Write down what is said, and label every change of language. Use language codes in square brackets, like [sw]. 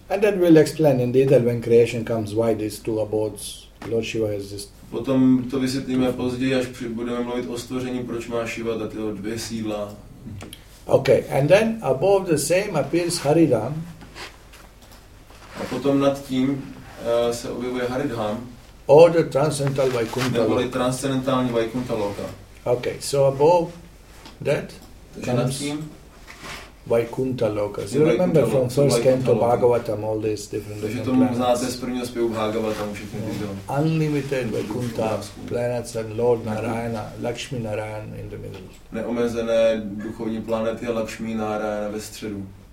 [en] And then we'll explain in detail when creation comes, why these two abodes, Lord Shiva has this. [cs] Potom to vysvětlíme později, až budeme mluvit o stvoření, proč má Shiva tato dvě sídla. [en] Okay, and then above the same appears Haridam. [cs] A potom nad tím se objevuje Haridham. [en] Or the transcendental Vaikuntha. [cs] Neboli transcendentální Vaikuntha loka. [en] Okay, so above that. [cs] Takže nad tím [en] Vaikunta Loka. Do you remember Vaikunta from first canto Bhagavatam, all these different things? [cs] Takže to [en] planets. [cs] Znáte z prvního zpěvu Bhagavatam, všechny [en] ty unlimited Vaikunta planets and Lord Narayana, Lakshmi Narayana in the middle. [cs] Neomezené duchovní planety a Lakshmi Narayana ve středu.